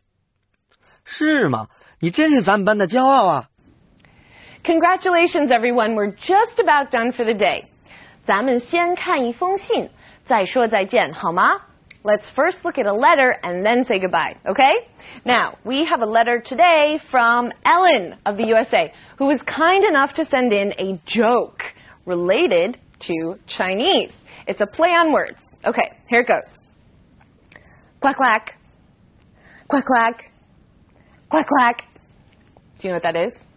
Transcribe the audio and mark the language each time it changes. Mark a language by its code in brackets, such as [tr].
[zh] 我考了全年级第一。是吗？你真是咱们班的骄傲啊！ [en] Congratulations, everyone. We're just about done for the day. [zh] 咱们先看一封信，再说再见，好吗？ [en] Let's first look at a letter and then say goodbye, okay? Now, we have a letter today from Ellen of the USA, who was kind enough to send in a joke related to Chinese. It's a play on words. Okay, here it goes. Quack, quack. Quack, quack. Quack, quack. Do you know what that is?